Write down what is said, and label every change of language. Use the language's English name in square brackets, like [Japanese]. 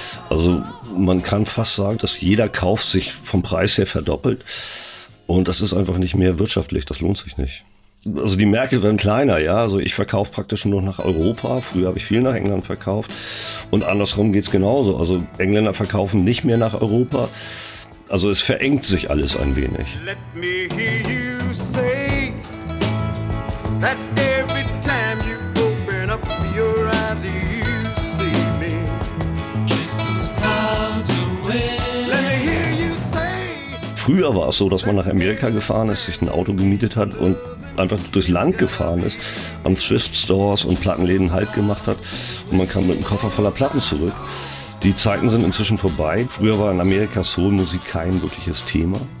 [German] Also man kann fast sagen, dass jeder Kauf sich vom Preis her verdoppelt und das ist einfach nicht mehr wirtschaftlich, das lohnt sich nicht. Also die Märkte werden kleiner, ja. Also ich verkaufe praktisch nur nach Europa. Früher habe ich viel nach England verkauft. Und andersrum geht es genauso. Also Engländer verkaufen nicht mehr nach Europa. Also es verengt sich alles ein wenig. [English] Let me hear you say that every time you open up your eyes you see me. Distance clouds away. Let me hear you say. [German] Früher war es so, dass man nach Amerika gefahren ist, sich ein Auto gemietet hat und einfach durchs Land gefahren ist, an Thrift Stores und Plattenläden Halt gemacht hat und man kam mit einem Koffer voller Platten zurück. Die Zeiten sind inzwischen vorbei. Früher war in Amerika Soulmusik kein wirkliches Thema.